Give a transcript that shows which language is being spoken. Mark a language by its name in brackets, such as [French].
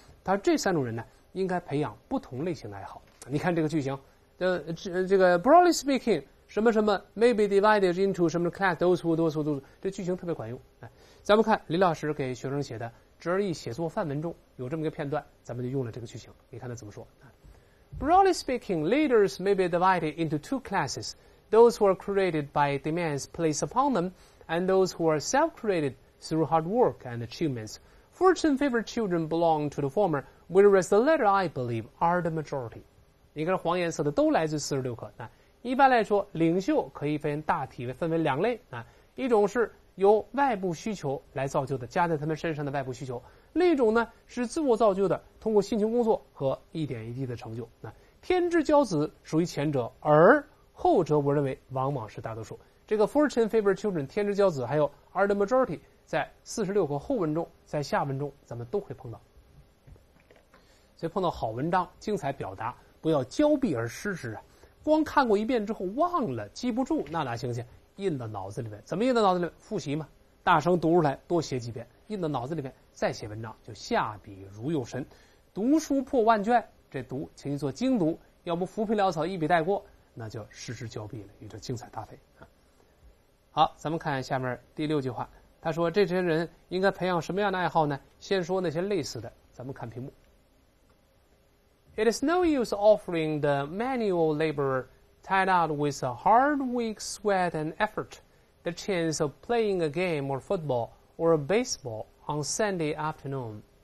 [Chinese] 他这三种人呢，应该培养不同类型的爱好。你看这个剧情，这个 [English] broadly speaking， [Chinese] 什么什么 [English] maybe divided into [Chinese] 什么 class， 都粗多粗多粗，这剧情特别管用。咱们看李老师给学生写的GRE写作范文中有这么一个片段，咱们就用了这个剧情。你看他怎么说。 [English] Broadly speaking, leaders may be divided into two classes, those who are created by demands placed upon them, and those who are self-created through hard work and achievements. Fortune-favored children belong to the former, whereas the latter, I believe, are the majority. [Chinese] 你看黄颜色的都来自46课。一般来说，领袖可以分为两类，一种是由外部需求来造就的，加在他们身上的外部需求。另一种呢，是自我造就的，通过辛勤工作和一点一滴的成就。天之骄子属于前者，而后者我认为往往是大多数。这个 [English] fortune favored children， [Chinese] 天之骄子，还有 [English] are the majority， [Chinese] 在46课后文中，在下文中咱们都会碰到。所以碰到好文章，精彩表达，不要交臂而失之啊！光看过一遍之后忘了，记不住，那哪行去？印到脑子里面，怎么印到脑子里面？复习嘛，大声读出来，多写几遍，印到脑子里面，再写文章，就下笔如有神。读书破万卷，这读请你做精读，要不浮皮潦草一笔带过，那就失之交臂了，与这精彩搭配。好，咱们看下面第六句话，他说这些人应该培养什么样的爱好呢？先说那些类似的，咱们看屏幕。 [English] It is no use offering the manual laborerTied out with a hard week's sweat and effort, the chance of playing a game or football or a baseball on Sunday afternoon.